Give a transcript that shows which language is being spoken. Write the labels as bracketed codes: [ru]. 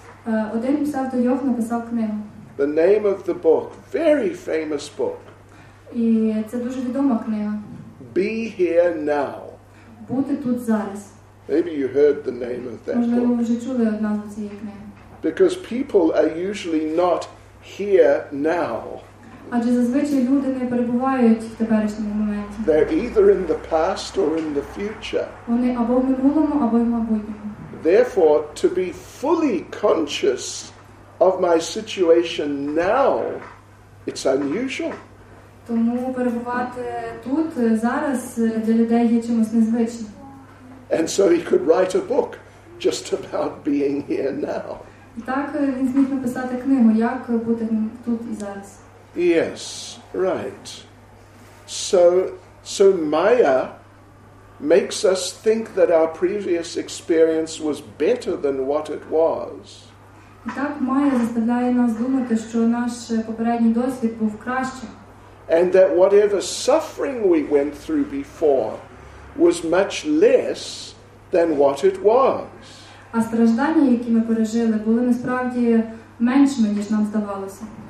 [en] The name of the book, very famous book. Be Here Now. [uk] Бути тут зараз. [en] Maybe you heard the name of that book. Because people are usually not here now. [uk] Адже зазвичай люди не перебувають в теперішньому моменті. [en] They're either in the past or in the future. [uk] Вони або в минулому, або в майбутньому. [en] Therefore, to be fully conscious of my situation now, it's unusual. [uk] Тому перебувати тут зараз для людей є чимось незвичним. [en] And so he could write a book just about being here now. [uk] Так він зміг написати книгу, як бути тут і зараз. [en] Yes, right. So Maya makes us think that our previous experience was better than what it was. [uk] Так Maya заставляє нас думати, що наш попередній досвід був кращим. [en] And that whatever suffering we went through before was much less than what it was. [uk] А страждання, які ми пережили, були насправді меншими, ніж нам здавалося.